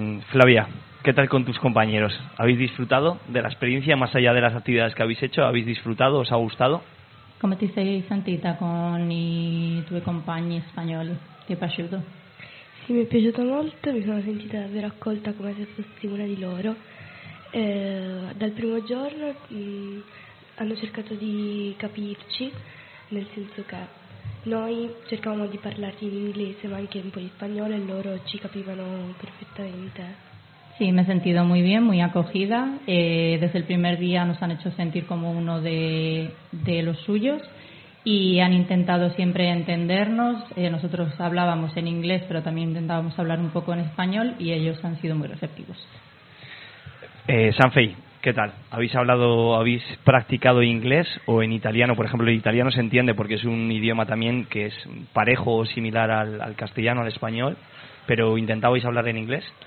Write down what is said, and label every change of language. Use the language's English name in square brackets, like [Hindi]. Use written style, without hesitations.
[Spanish] Flavia, ¿qué tal con tus compañeros? ¿Habéis disfrutado de la experiencia, más allá de las actividades que habéis hecho? ¿Habéis disfrutado? ¿Os ha gustado? ¿Cómo te sentís, Santita, con tu compañero español? ¿Te ha gustado? [Italian] Sì, mi è piaciuta molto, mi sono sentita davvero accolta come se fossi una di loro. Dal primo giorno hanno cercato di capirci, nel senso che noi cercavamo di parlare in inglese ma anche un po' di spagnolo e loro ci capivano perfettamente. Sì, mi ho sentito molto bene, molto accogida. Desde il primo giorno ci hanno fatto sentire come [Spanish] uno de los suyos. Y han intentado siempre entendernos. Nosotros hablábamos en inglés, pero también intentábamos hablar un poco en español y ellos han sido muy receptivos. Sanfei, ¿qué tal? ¿Habéis practicado inglés o en italiano? Por ejemplo, el italiano se entiende porque es un idioma también que es parejo o similar al castellano, al español, pero ¿intentabais hablar en inglés?